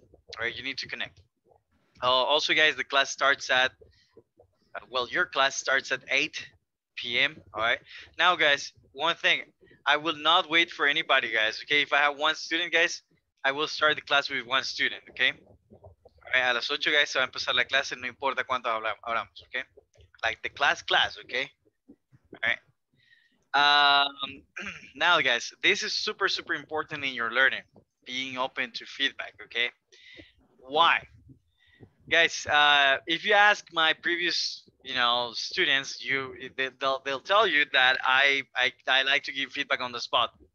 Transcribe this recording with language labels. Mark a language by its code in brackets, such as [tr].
[en] All right, you need to connect. Also, guys, the class starts at, your class starts at 8 p.m., all right? Now, guys, one thing, I will not wait for anybody, guys, okay? If I have one student, guys, I will start the class with one student, okay? [es] All right, a las 8, guys, se va a empezar la clase, no importa cuánto hablamos, okay? [en] Like the class, okay? All right. Now, guys, this is super, super important in your learning, being open to feedback, okay? Why? Guys, if you ask my previous, you know, students, they'll tell you that I like to give feedback on the spot.